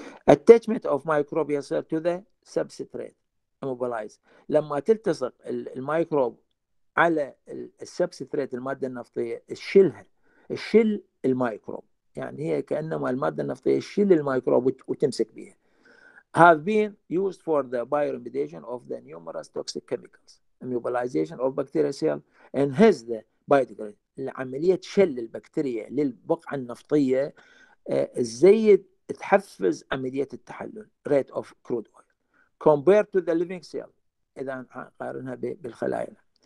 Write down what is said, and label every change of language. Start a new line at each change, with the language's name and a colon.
English: Attachment of microbe
Arabic: يصير
English: to the substrate immobilize.
Arabic: لما تلتصق الميكروب على substrate المادة النفطية تشيلها، تشيل الميكروب، يعني هي كأنما المادة النفطية تشيل الميكروب وتمسك بها.
English: Have been used for the bioremediation of the numerous toxic chemicals. Immobilization of bacteria cell enhance the biodegradation.
Arabic: العملية تشل البكتيريا للبقعة النفطية زيد تحفز عملية التحلل
English: rate of crude oil compared to the living cell
Arabic: إذا نقارنها بالخلايا.